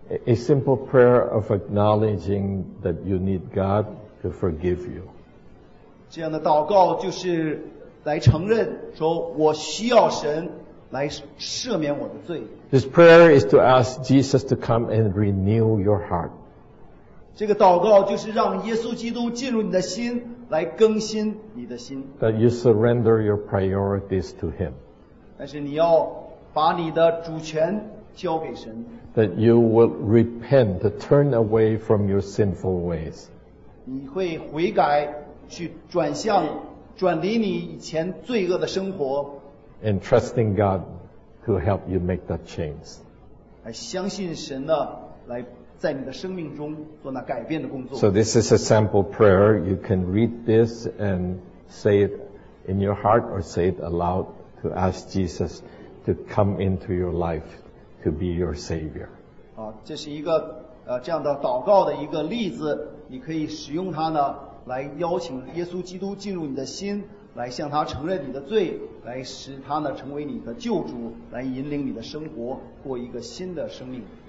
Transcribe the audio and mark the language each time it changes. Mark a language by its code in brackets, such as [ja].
[en] A simple prayer of acknowledging that you need God to forgive you. [zh] 这样的祷告就是来承认说我需要神来赦免我的罪。 [en] This prayer is to ask Jesus to come and renew your heart. [zh] 这个祷告就是让耶稣基督进入你的心，来更新你的心。 [en] That you surrender your priorities to him. [zh] 但是你要把你的主权交给神。 [en] That you will repent, to turn away from your sinful ways. [zh] 你会悔改，去转向，转离你以前罪恶的生活。 [en] And trusting God to help you make that change. [zh] 来相信神呢，来在你的生命中做那改变的工作。 [en] So this is a sample prayer. You can read this and say it in your heart or say it aloud to ask Jesus to come into your life. To be your savior. [zh] 这是一个这样的祷告的一个例子，你可以使用它呢，来邀请耶稣基督进入你的心，来向他承认你的罪，来使他呢成为你的救主，来引领你的生活，过一个新的生命。